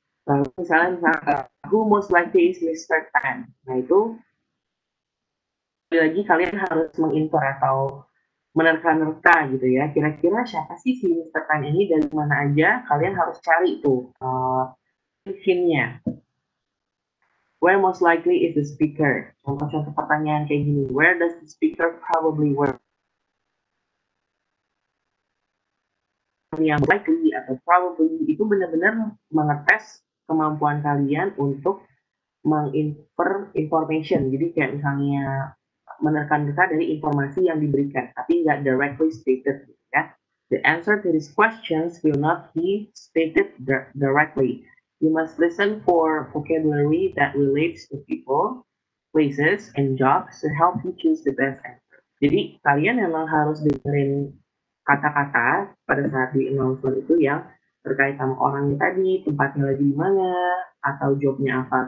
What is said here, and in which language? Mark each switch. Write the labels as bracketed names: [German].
[Indonesian] Lalu misalnya [English] who most likely is Mr. Tan. [Indonesian] Nah itu lagi kalian harus menginfer atau menerka-nerka gitu ya, kira-kira siapa sih si Mr. Tan ini dan mana aja, kalian harus cari tuh hint-nya. [English] Where most likely is the speaker? [Indonesian] Contoh-contoh pertanyaan kayak gini, [English] where does the speaker probably work? [Indonesian] Yang likely atau probably itu benar-benar mengetes kemampuan kalian untuk menginfer information. Jadi kayak misalnya menerka-nerka dari informasi yang diberikan, tapi nggak [English] directly stated. [Indonesian] Ya. [English] The answer to these questions will not be stated directly. You must listen for vocabulary that relates to people, places, and jobs to help you choose the best answer. [Indonesian] Jadi kalian memang harus dengerin kata-kata pada saat di announcement itu yang terkait sama orangnya tadi, tempatnya lagi di mana, atau jobnya apa.